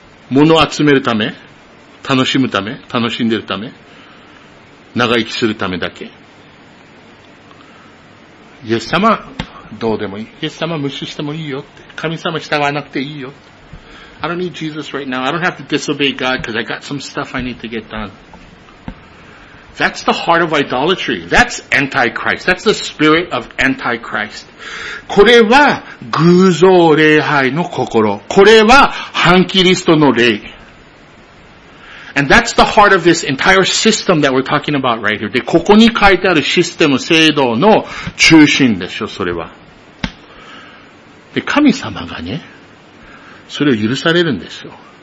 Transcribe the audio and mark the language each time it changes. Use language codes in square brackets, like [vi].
[ja] 物を集めるため？楽しむため？楽しんでるため？長生きするためだけ？イエス様、どうでもいい。イエス様、無視してもいいよって。神様、従わなくていいよ。 [en] I don't need Jesus right now. I don't have to disobey God because I got some stuff I need to get done. That's the heart of idolatry. That's Antichrist. That's the spirit of Antichrist. [ja] これは偶像礼拝の心。これは反キリストの霊。 [en] And that's the heart of this entire system that we're talking about right here. [ja] で、ここに書いてあるシステム、制度の中心でしょ、それは。で、神様がね、それを許されるんですよ。